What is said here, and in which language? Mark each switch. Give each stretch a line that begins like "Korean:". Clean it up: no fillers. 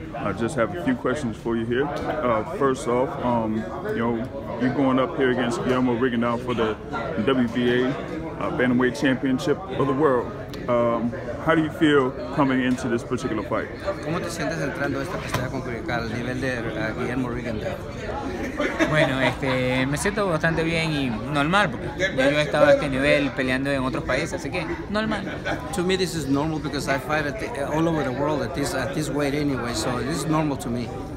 English: I just have a few questions for you here. First off, you're going up here against Guillermo Rigondeaux for the WBA Bantamweight Championship of the World. How do you feel coming into this particular fight?
Spanish: ¿Cómo te sientes entrando a esta pelea con Rigondeaux al nivel de Guillermo Rigondeaux? Bueno, me siento bastante bien y normal porque yo he estado a este nivel peleando en otros países, así que normal.
English: To me this is normal because I fight all over the world at this weight anyway, so this is normal to me.